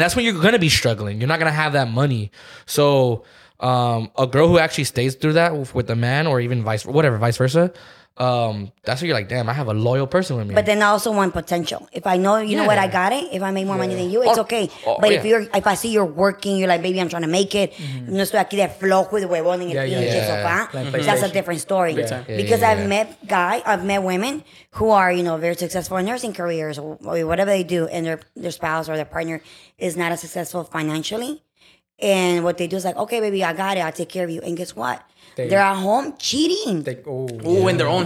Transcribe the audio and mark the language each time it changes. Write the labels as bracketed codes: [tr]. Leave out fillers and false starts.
[en] And that's when you're gonna be struggling. You're not gonna have that money, so. A girl who actually stays through that with a man or even vice versa, that's what you're like, damn, I have a loyal person with me. But then I also want potential. If I know, you know what, I got it. If I make more money than you, it's okay. But if I see you're working, you're like, baby, I'm trying to make it. Mm-hmm. [es] No estoy aquí de flojo de huevón en el pinche sofá. [en] That's a different story. Yeah. I've met women who are, you know, very successful in nursing careers or whatever they do, and their spouse or their partner is not as successful financially. And what they do is like, okay, baby, I got it. I'll take care of you. And guess what? They're at home cheating. In their own